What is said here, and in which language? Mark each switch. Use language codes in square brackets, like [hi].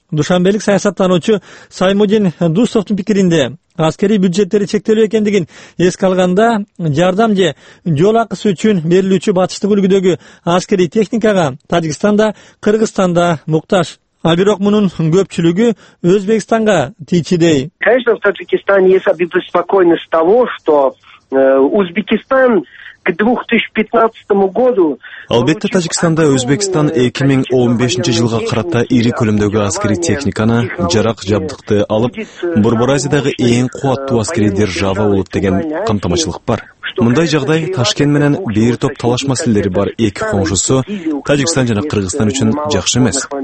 [ky] Душанбелик саясаттануучу Саймудин Дусовтун пикиринде аскерий бюджеттери чектелүү экендигин эске алганда жардам же жол акысы үчүн берилүүчү батыштык үлгүдөгү аскерий техникага Тажикстан да Кыргызстан да муктаж. А бирок мунун көпчүлүгү Өзбекстанга тийчидей. [ru] Конечно, в Таджикистане есть обеспокоенность того, что Узбекистан к 2015 году. [ky] Албетте Таджикистанда Өзбекстан 2015 жылга карата ири көлөмдөгү аскерий техниканы, жарак жабдыкты алып, Борбор Азиядагы эң кубаттуу аскерий держава болот деген камтамачылык бар. Мындай жагдай Ташкент менен бир топ талаш маселелери бар эки коңшусу Таджикистан жана Кыргызстан үчүн жакшы эмес.